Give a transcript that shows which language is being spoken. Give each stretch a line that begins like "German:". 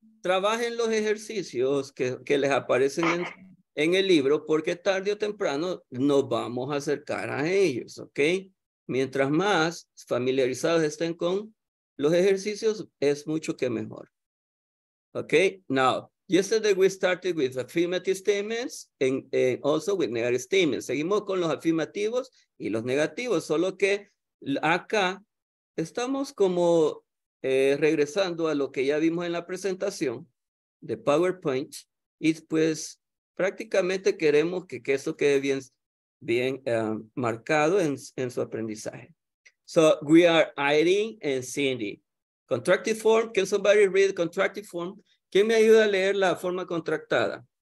Spanish: Trabajen los ejercicios que les aparecen en el libro porque tarde o temprano nos vamos a acercar a ellos, ¿ok? Mientras más familiarizados estén con los ejercicios, es mucho que mejor. ¿Ok?
English: Now, yesterday we started with affirmative statements and also with negative statements.
Spanish: Seguimos con los afirmativos y los negativos, solo que acá estamos como regresando a lo que ya vimos en la presentación de PowerPoint y pues prácticamente queremos que eso quede bien marcado en su aprendizaje.
English: So we are Irene and Cindy. Contracted form, can somebody read the contracted form?
Spanish: ¿Quién me ayuda a leer la forma contractada?